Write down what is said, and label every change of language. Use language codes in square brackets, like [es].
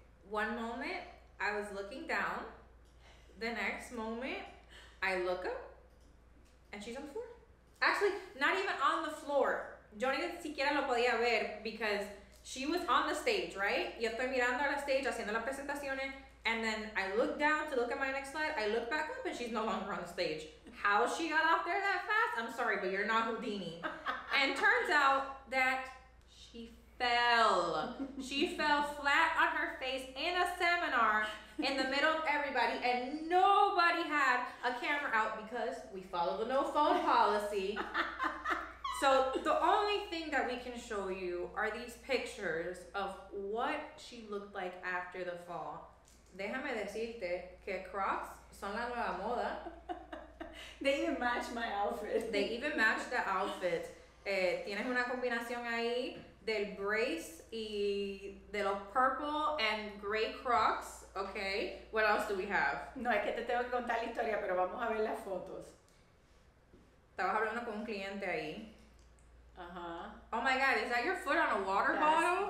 [en] One moment I was looking down, the next moment I look up and she's on the floor. Actually, not even on the floor. [es] Yo ni siquiera lo podía ver [en] because she was on the stage, right? [es] Yo estoy mirando a la stage, haciendo las presentaciones. [en] And then I look down to look at my next slide. I look back up and she's no longer on the stage. How she got off there that fast? I'm sorry, but you're not Houdini. And turns out that she fell. She fell flat on her face in a seminar in the middle of everybody. And nobody had a camera out because we follow the no phone policy. So the only thing that we can show you are these pictures of what she looked like after the fall. [es] Déjame decirte que Crocs son la nueva moda. [en] They even match my outfit. They even match the outfit. [es] Tienes una combinación ahí del brace y de los [en] purple and gray Crocs, okay? What else do we have? [es] No, es que te tengo que contar la historia, pero vamos a ver las fotos. Estabas hablando con un cliente ahí. Uh-huh. [en] Oh my God, is that your foot on a water bottle?